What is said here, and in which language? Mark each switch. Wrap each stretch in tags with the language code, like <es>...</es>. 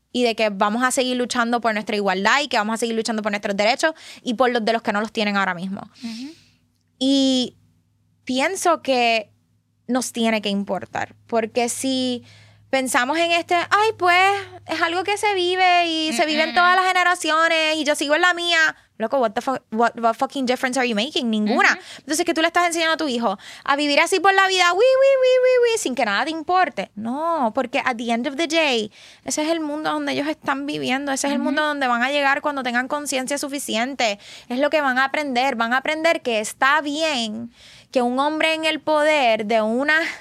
<es>y de que vamos a seguir luchando por nuestra igualdad y que vamos a seguir luchando por nuestros derechos y por los de los que no los tienen ahora mismo. Uh-huh. Y pienso que nos tiene que importar, porque si pensamos en este, ay, pues, es algo que se vive y uh-huh. se vive en todas las generaciones y yo sigo en la mía.</es> <en>Loco, what fucking difference are you making?</en> <es>Ninguna. Uh-huh. Entonces, ¿qué tú le estás enseñando a tu hijo? A vivir así por la vida, sin que nada te importe. No, porque</es> <en>at the end of the day,</en> <es>ese es el mundo donde ellos están viviendo. Ese es uh-huh. el mundo donde van a llegar cuando tengan conciencia suficiente. Es lo que van a aprender. Van a aprender que está bien que un hombre en el poder de una</es>